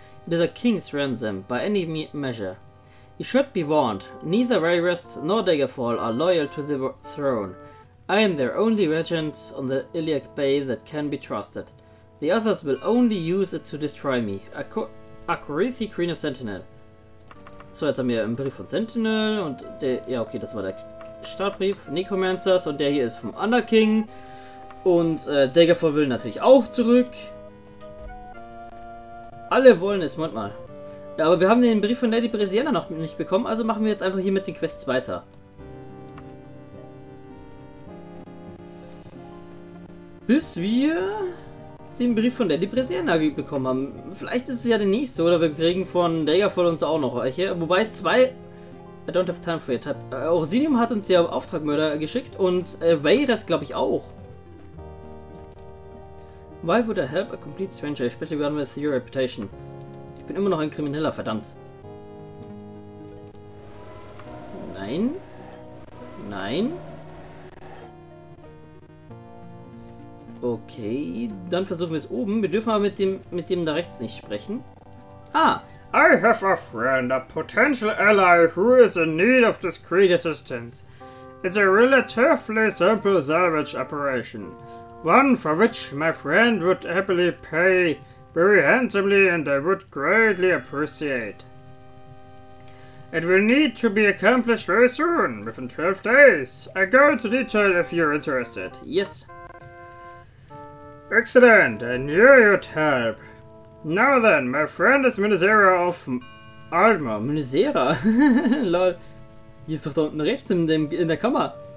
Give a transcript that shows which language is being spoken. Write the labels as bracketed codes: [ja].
[en] It is a king's ransom, by any measure. You should be warned. Neither Rayrest nor Daggerfall are loyal to the throne. I am their only regent on the Iliac Bay that can be trusted. The others will only use it to destroy me. Akorithi, Queen of Sentinel. [de] So, jetzt haben wir einen Brief von Sentinel und der. Ja, okay, das war der Startbrief. Necromancers und der hier ist vom Underking. Und Daggerfall will natürlich auch zurück. Alle wollen es, Moment mal. Ja, aber wir haben den Brief von Lady Brisiana noch nicht bekommen, also machen wir jetzt einfach hier mit den Quests weiter. Bis wir den Brief von Lady Brisiana bekommen haben. Vielleicht ist es ja der nächste, oder wir kriegen von Daggerfall uns auch noch welche. Wobei zwei. [en] I don't have time for your type. [de] Orsinium hat uns ja Auftragmörder geschickt und Vayras, glaube ich, auch. [en] Why would I help a complete stranger, especially one with your reputation? [de] Ich bin immer noch ein Krimineller, verdammt. Nein. Nein. Okay, dann versuchen wir es oben. Wir dürfen aber mit dem da rechts nicht sprechen. Ah! [en] I have a friend, a potential ally, who is in need of discreet assistance. It's a relatively simple salvage operation. One for which my friend would happily pay very handsomely and I would greatly appreciate. It will need to be accomplished very soon, within 12 days. I'll go into detail if you're interested. Yes. Excellent, I knew you'd help. Now then, my friend is Minisera of Aldmer. Minisera? Lol. [de] Die ist doch da unten rechts in der Kammer.